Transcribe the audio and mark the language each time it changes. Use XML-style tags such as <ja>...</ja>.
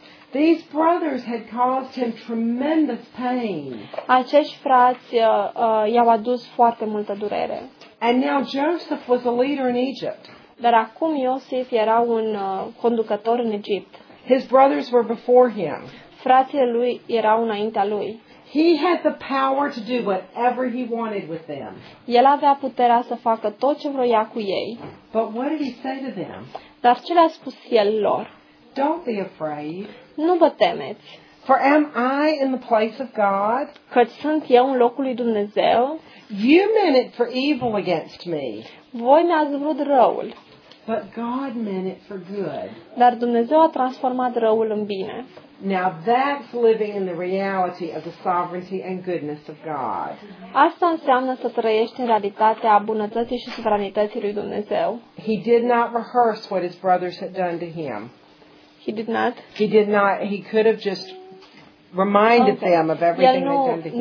<en>These brothers had caused him tremendous pain.</en> <ro>Acești frați i-au adus foarte multă durere.</ro> <en>And now Joseph was a leader in Egypt.</en> <ro>Dar acum Iosif era un conducător în Egipt.</ro> <en>His brothers were before him.</en> <ro>Fratele lui era înaintea lui.</ro> <en>He had the power to do whatever he wanted with them.</en> <ro>El avea puterea să facă tot ce vroia cu ei.</ro> <en>But what did he say to them?</en> <ro>Dar ce le-a spus el lor?</ro> <en>Don't be afraid.</en> <ro>Nu vă temeți.</ro> <en>For am I in the place of God?</en> <ro>Căci sunt eu în locul lui Dumnezeu?</ro> <en>You meant it for evil against me.</en> <ro>Voi mi-ați vrut răul.</ro> <en>But God meant it for good.</en> <ro>Dar Dumnezeu a transformat răul în bine.</ro> <en>Now that's living in the reality of the sovereignty and goodness of God.</en> <ro>Asta înseamnă să trăiești în realitatea bunătății și suveranității lui Dumnezeu.</ro> <en>He did not rehearse what his brothers had done to him. He did not. He could have just reminded them of everything they'd done to him.</en>